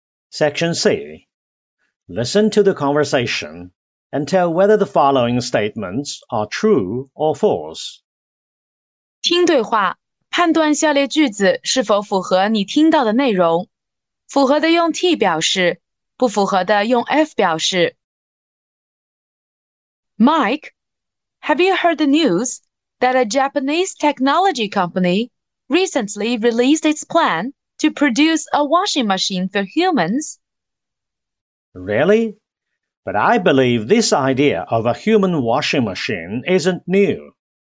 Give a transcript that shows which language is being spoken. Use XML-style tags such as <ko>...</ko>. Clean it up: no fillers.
<en>Section C. Listen to the conversation and tell whether the following statements are true or false.</en> <zh>听对话，判断下列句子是否符合你听到的内容。符合的用 T 表示，不符合的用 F 表示。</zh> <en>Mike, have you heard the news that a Japanese technology company recently released its plan to produce a washing machine for humans? Really? But I believe this idea of a human washing machine isn't new.</en>